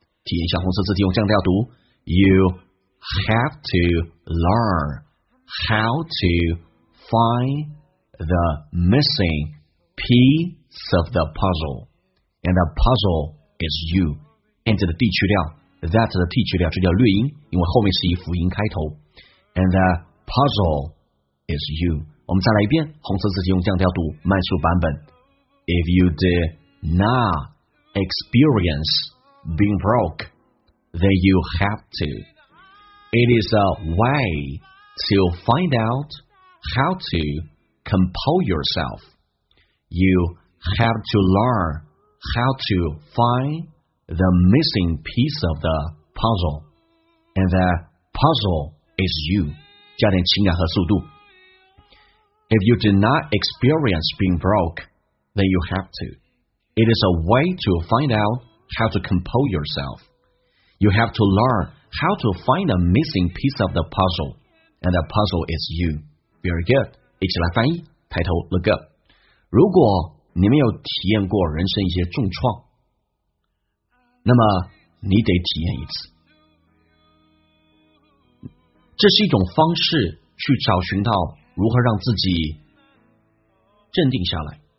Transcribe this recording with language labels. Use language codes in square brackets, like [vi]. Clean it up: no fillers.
[zh] 体验一下红色字体用降调读 [en] You have to learn how to find the missing piece of the puzzle and the puzzle is you and [zh] 的 D 去掉 [en] That [zh] 的 T 去掉，这叫略音，因为后面是以辅音开头。 [en] And the puzzle is you。 [zh] 我们再来一遍，红色字体用降调读，慢速版本。 [en] If you did not experience being broke, then you have to. It is a way to find out how to compose yourself. You have to learn how to find. The missing piece of the puzzle, and that puzzle is you. [zh] 加点情感和速度。 [en] If you did not experience being broke, then you have to. It is a way to find out how to compose yourself. You have to learn how to find a missing piece of the puzzle, and that puzzle is you. Very good. [zh] 一起来翻译。抬头 [en] look up. [zh] 如果你没有体验过人生一些重创。那么你得体验一次，这是一种方式去找寻到如何让自己镇定下来。